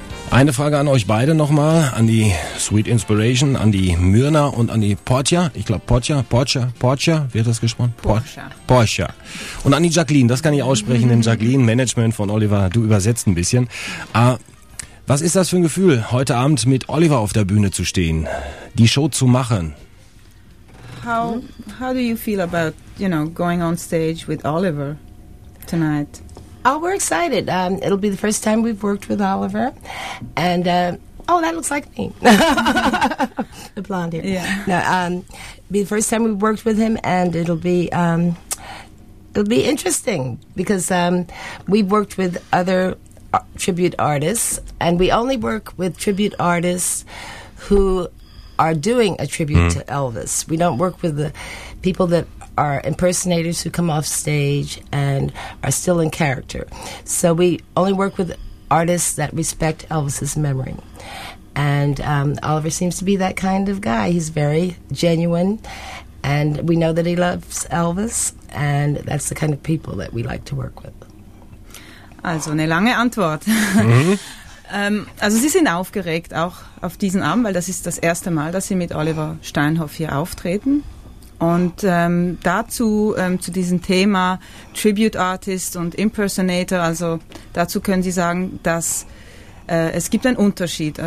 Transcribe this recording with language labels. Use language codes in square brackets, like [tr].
[de] Eine Frage an euch beide nochmal, an die Sweet Inspiration, an die Myrna und an die Portia. Ich glaube, Portia, wird das gesprochen? Portia. Und an die Jacqueline, das kann ich aussprechen, denn Jacqueline, Management von Oliver, du übersetzt ein bisschen. Was ist das für ein Gefühl, heute Abend mit Oliver auf der Bühne zu stehen, die Show zu machen? [en] How do you feel about, you know, going on stage with Oliver? tonight? Oh, we're excited. It'll be the first time we've worked with Oliver. And, oh, that looks like me. The blonde hair. Yeah. No, be the first time we've worked with him, and it'll be... it'll be interesting because we've worked with other tribute artists, and we only work with tribute artists who are doing a tribute to Elvis. We don't work with the people that are impersonators who come off stage and are still in character. So we only work with artists that respect Elvis's memory. And Oliver seems to be that kind of guy. He's very genuine, and we know that he loves Elvis. And that's the kind of people that we like to work with. [de] Also, eine lange Antwort. Mm-hmm. Also, Sie sind aufgeregt auch auf diesen Abend, weil das ist das erste Mal, dass Sie mit Oliver Steinhoff hier auftreten. Und dazu, zu diesem Thema Tribute Artist und Impersonator, also dazu können Sie sagen, dass es gibt einen Unterschied.